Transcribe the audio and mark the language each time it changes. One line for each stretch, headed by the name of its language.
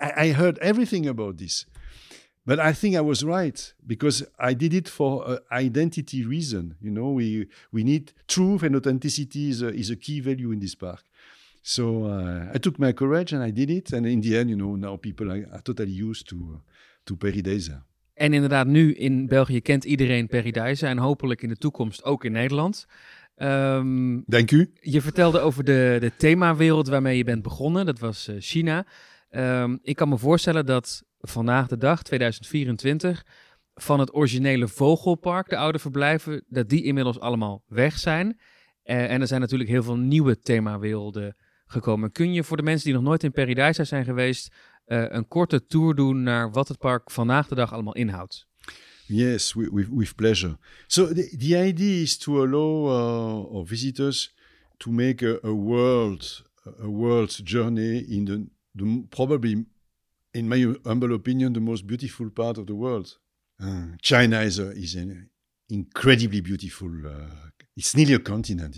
English: I heard everything about this. But I think I was right, because I did it for identity reason. You know, we need truth, and authenticity is a key value in this park. So I took my courage and I did it. And in the end, you know, now people are totally used to Paradiso.
Dutch: En inderdaad, nu in België kent iedereen Paradiso en hopelijk in de toekomst ook in Nederland. Dank u. Je vertelde over de themawereld waarmee je bent begonnen. Dat was China. Ik kan me voorstellen dat vandaag de dag, 2024, van het originele vogelpark, de oude verblijven, dat die inmiddels allemaal weg zijn. En er zijn natuurlijk heel veel nieuwe themawerelden gekomen. Kun je voor de mensen die nog nooit in Paradiso zijn geweest, een korte tour doen naar wat het park vandaag de dag allemaal inhoudt?
English: Yes, with pleasure. So the idea is to allow our visitors to make a world journey in the probably, in my humble opinion, the most beautiful part of the world. China is an incredibly beautiful. It's nearly a continent.